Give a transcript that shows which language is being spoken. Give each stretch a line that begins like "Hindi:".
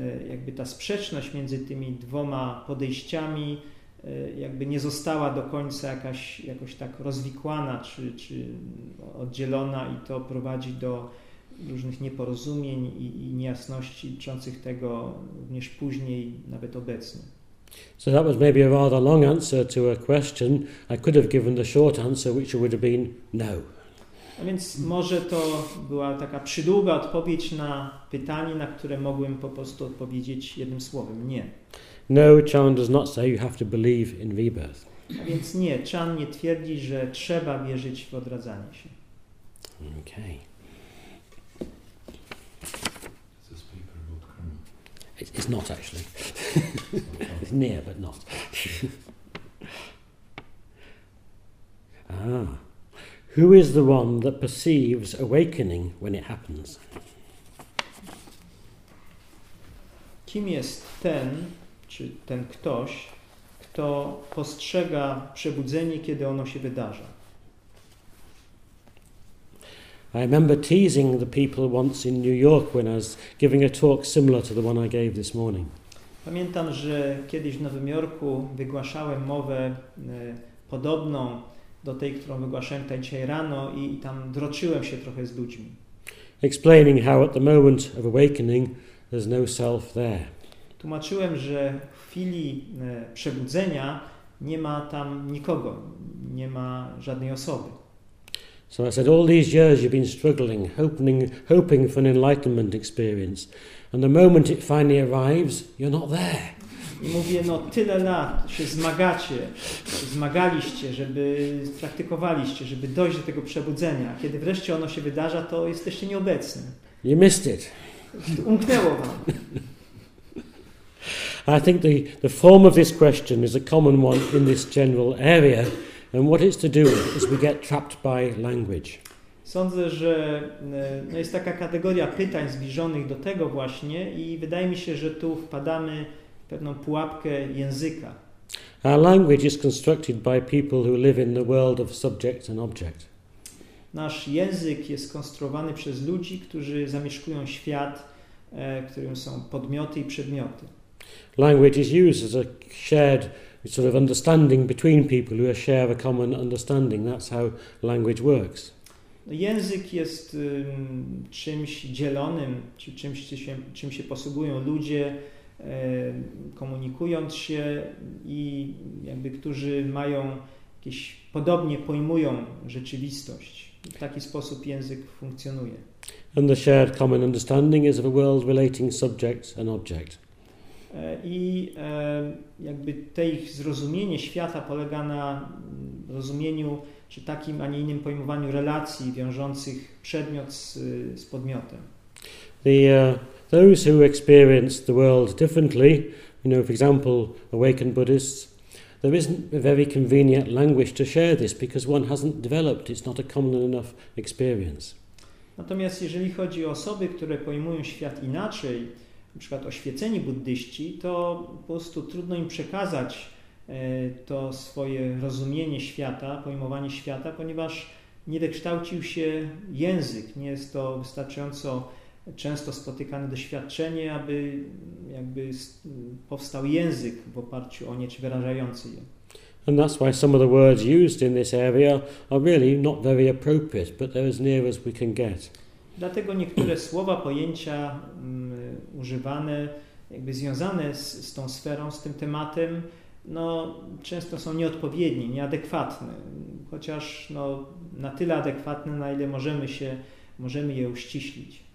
Polish: jakby ta sprzeczność między tymi dwoma podejściami jakby nie została do końca jakoś tak rozwikłana czy oddzielona, i to prowadzi do różnych nieporozumień i niejasności dotyczących tego również później, nawet obecnie.
English: So that was maybe a rather long answer to a question. I could have given the short answer, which would have been no.
Polish: A więc może to była taka przydługa odpowiedź na pytanie, na które mogłem po prostu odpowiedzieć jednym słowem, nie.
English: No, Chan does not say you have to believe in rebirth.
Polish: A więc nie, Chan nie twierdzi, że trzeba wierzyć w odradzanie się.
English: Okay. It's not actually. It's near, but not. Ah. Who is the one that perceives awakening when it happens?
Polish: Kim jest ten, czy ten ktoś, kto postrzega przebudzenie, kiedy ono się wydarza?
English: I remember teasing the people once in New York when I was giving a talk similar to the one I gave this morning.
Polish: Pamiętam, że kiedyś w Nowym Jorku wygłaszałem mowę podobną do tej, którą wygłaszałem tutaj dzisiaj rano, i tam droczyłem się trochę z ludźmi.
English: Explaining how at the moment of awakening there's no self there.
Polish: Tłumaczyłem, że w chwili przebudzenia nie ma tam nikogo, nie ma żadnej osoby.
English: So I said, all these years you've been struggling, hoping for an enlightenment experience, and the moment it finally arrives, you're not there.
Polish: I mówię, no tyle lat się zmagaliście, żeby praktykowaliście, żeby dojść do tego przebudzenia. Kiedy wreszcie ono się wydarza, to jesteście nieobecni.
English: You missed it.
Polish: Umknęło wam.
English: I think the form of this question is a common one in this general area. And what it's to do is we get trapped by language.
Polish: Sądzę, że jest taka kategoria pytań zbliżonych do tego właśnie, i wydaje mi się, że tu wpadamy w pewną pułapkę języka.
English: Our language is constructed by people who live in the world of subject and object.
Polish: Nasz język jest konstruowany przez ludzi, którzy zamieszkują świat, którym są podmioty i przedmioty.
English: Language is used as a shared sort of understanding between people who share a common understanding. That's how language works.
Polish: Język jest czymś dzielonym, czy czym się posługują ludzie, komunikując się, i jakby którzy mają jakieś, podobnie pojmują rzeczywistość. W taki sposób język funkcjonuje.
English: And the shared common understanding is of a world relating subject and object.
Polish: I jakby te ich zrozumienie świata polega na rozumieniu, czy takim, a nie innym pojmowaniu relacji wiążących przedmiot z podmiotem.
English: Those who experience the world differently, you know, for example, awakened Buddhists, there isn't a very convenient language to share this because one hasn't developed, it's not a common enough experience.
Polish: Natomiast jeżeli chodzi o osoby, które pojmują świat inaczej, na przykład oświeceni buddyści, to po prostu trudno im przekazać to swoje rozumienie świata, pojmowanie świata, ponieważ nie wykształcił się język, nie jest to wystarczająco często spotykane doświadczenie, aby jakby powstał język w oparciu o nie, czy wyrażający je.
English: And that's why some of the words used in this area are really not very appropriate, but they're as near as we can get.
Polish: Dlatego niektóre słowa, pojęcia używane, jakby związane z tą sferą, z tym tematem, no często są nieodpowiednie, nieadekwatne. Chociaż no, na tyle adekwatne, na ile możemy je uściślić.